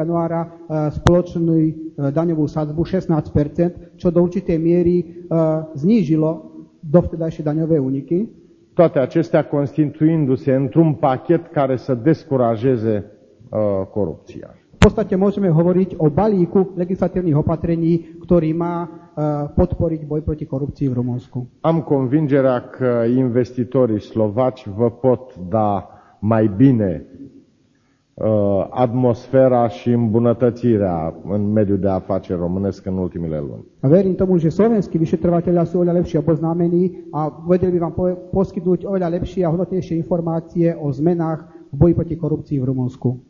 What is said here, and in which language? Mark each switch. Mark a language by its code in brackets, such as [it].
[sk] januára spoločnú daňovú sadzbu 16%, čo do určitej miery znížilo dovtedajšie daňové úniky. [ro] Toate acestea constituindu-se într-un pachet care să descurajeze corupția. [sk] V podstate môžeme hovoriť o balíku legislatívnych opatrení, ktorý má podporiť boj proti korupcii v Rumunsku. [ro] Am convingerea că investitorii slovaci vă pot da mai bine atmosféra și îmbunătățirea în mediul de afaceri românesc în ultimele luni. [sk] Verím tomu, že slovenskí vyšetrovateľia sú oveľa lepšie oboznámení a vedeli by vám poskytnúť oveľa lepšie a hodnotnejšie informácie o zmenách v boji proti korupcii v Rumunsku.